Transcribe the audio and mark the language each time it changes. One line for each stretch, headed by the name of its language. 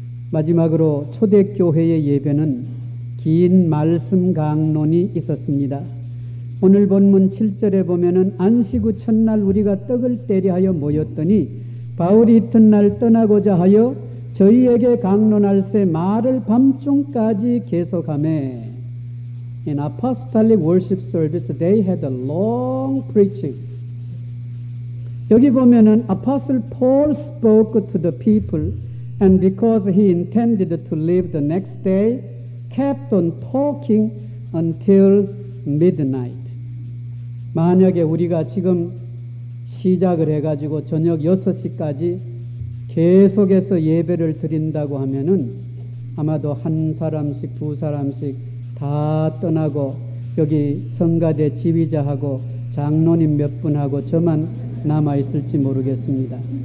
Korean: 마지막으로 초대교회의 예배는 긴 말씀 강론이 있었습니다. 오늘 본문 7절에 보면은 안식 후 첫날 우리가 떡을 떼려하여 모였더니 바울이 이튿날 떠나고자 하여 저희에게 강론할 새 말을 밤중까지 계속하매.
English: In apostolic worship service, they had a long preaching.
Korean: 여기 보면은
English: Apostle Paul spoke to the people, and because he intended to leave the next day, kept on talking until midnight.
Korean: 만약에 우리가 지금 시작을 해가지고 저녁 6시까지 계속해서 예배를 드린다고 하면은 아마도 한 사람씩 두 사람씩 다 떠나고 여기 성가대 지휘자하고 장로님 몇 분하고 저만 남아있을지 모르겠습니다.